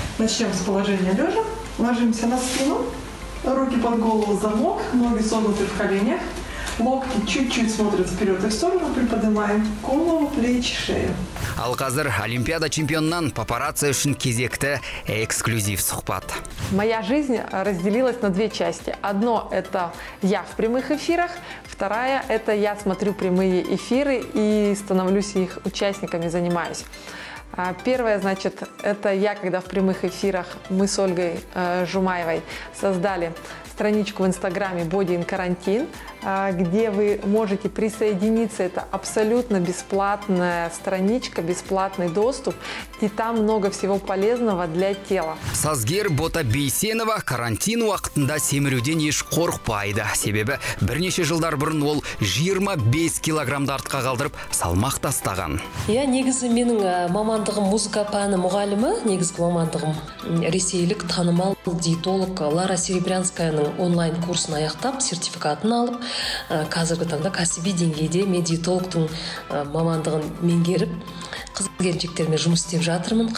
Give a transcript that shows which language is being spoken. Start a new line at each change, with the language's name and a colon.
Russian: Начнем с положения лежа. Ложимся на спину. Руки под голову, замок, ноги согнуты в коленях, локти чуть-чуть смотрят вперед и в сторону, приподнимаем голову, плечи, шею.
Kazakh: Ал қазір олимпиада чемпионынан папарацци үшін кезекті эксклюзив сұхбат.
Russian: Моя жизнь разделилась на две части. Одно – это я в прямых эфирах, вторая – это я смотрю прямые эфиры и становлюсь их участниками, занимаюсь. Первое, значит, это я, когда в прямых эфирах мы с Ольгой Жумаевой создали страничку в Инстаграме «Body in Quarantine», где вы можете присоединиться. Это абсолютно бесплатная страничка, бесплатный доступ. И там много всего полезного для тела.
Kazakh: Сазгер Бота Бейсенова карантин уақытында семіруден еш қорқпайды. Себебі бірнеше жылдар бұрын ол 25 килограмды артқа қалдырып салмақ тастаған. Я негізі менің мамандығым музыка пәні мұғалімі. Негізгі мамандығым ресейлік танымал диетолог Лара Серебрянская-ның онлайн курсын аяқтап, сертификатын алып, қазіргі таңда кәсіби деңгейде медиетологтың мамандығын меңгеріп, қыз-келіншектермен жұмыс істеп жатырмын.